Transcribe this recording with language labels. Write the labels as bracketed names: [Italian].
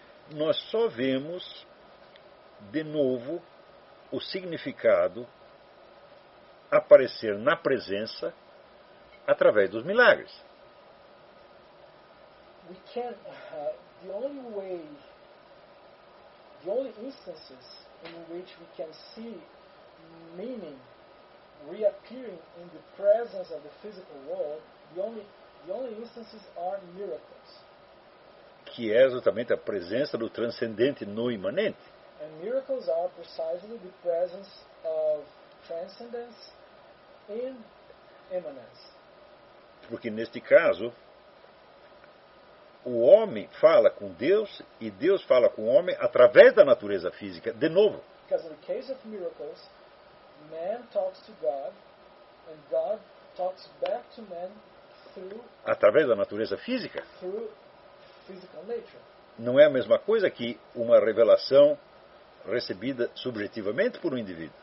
[Portuguese] Nós só vemos de novo o significado aparecer na presença através dos milagres. [English] We can the only way, the only instances in which we can see meaning reappearing in the presence of the physical world, the only instances are miracles. [Portuguese] Que é exatamente a presença do transcendente no imanente. [English] And miracles are precisely the presence of transcendence in immanence. [Portuguese] Porque neste caso, o homem fala com Deus e Deus fala com o homem através da natureza física, de novo. [English] Because in the case of miracles, man talks to God and God talks back to man through [Portuguese] através da natureza física. [English] Through physical nature. [Portuguese] Não é a mesma coisa que uma revelação recebida subjetivamente por um indivíduo.